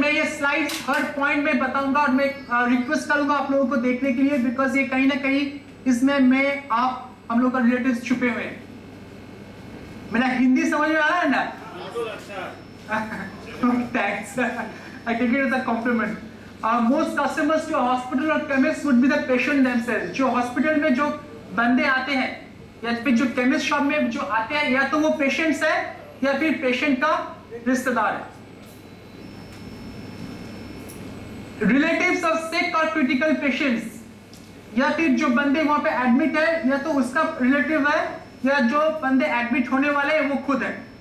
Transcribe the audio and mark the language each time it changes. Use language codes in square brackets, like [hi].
[hi] मैं ये slides हर point में बताऊंगा और मैं request करूंगा आप लोगों को देखने के लिए because ये कहीं ना कहीं इसमें मैं आप हम लोगों का relatives छुपे हुए हैं. मेरा हिंदी समझ में आ रहा है ना? [en] Thanks. I can give you the compliment. Most customers to a hospital or chemist would be the patient themselves. [hi] जो hospital में जो बंदे आते हैं या फिर जो केमिस्ट शॉप में जो आते हैं या तो वो पेशेंट्स है या फिर पेशेंट का रिश्तेदार है [en] relatives of sick [hi] और क्रिटिकल पेशेंट्स या फिर जो बंदे वहां पे एडमिट है या तो उसका रिलेटिव है या जो बंदे एडमिट होने वाले हैं वो खुद है